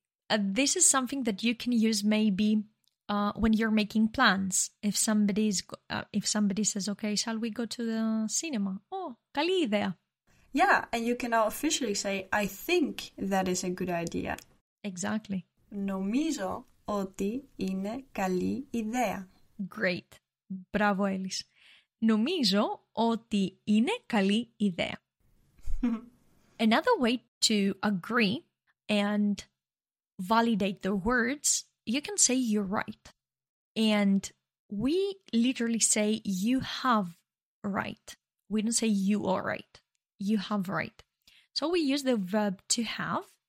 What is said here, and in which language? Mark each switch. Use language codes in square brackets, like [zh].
[en] This is something that you can use maybe when you're making plans. If somebody says, okay, shall we go to the cinema? [el] Oh, καλή ιδέα. [en] Yeah, and you can now officially say, I think that is a good idea. Exactly. [el] Νομίζω ότι είναι καλή ιδέα. [en] Great. [el] Μπράβο, Έλις. Νομίζω ότι είναι καλή ιδέα. [en] Another way to agree and validate the words, you can say you're right. And we literally say you have right. We don't say you are right. You have right. So we use the verb to have.